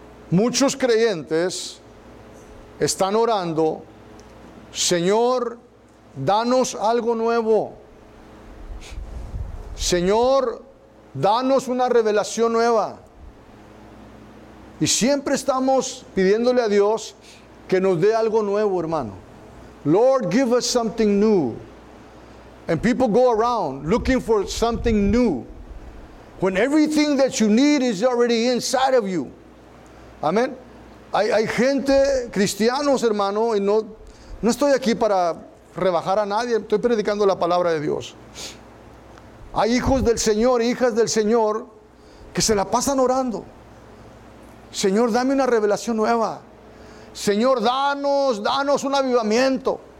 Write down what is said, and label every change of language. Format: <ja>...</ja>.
<es>Muchos creyentes están orando, Señor, danos algo nuevo. Señor, danos una revelación nueva. Y siempre estamos pidiéndole a Dios que nos dé algo nuevo, hermano.</es> <en>Lord, give us something new. And people go around looking for something new. When everything that you need is already inside of you.</en> <es>Amén. Hay gente, cristianos, hermano, y no estoy aquí para rebajar a nadie. Estoy predicando la palabra de Dios. Hay hijos del Señor, hijas del Señor, que se la pasan orando. Señor, dame una revelación nueva. Señor, danos un avivamiento.</es>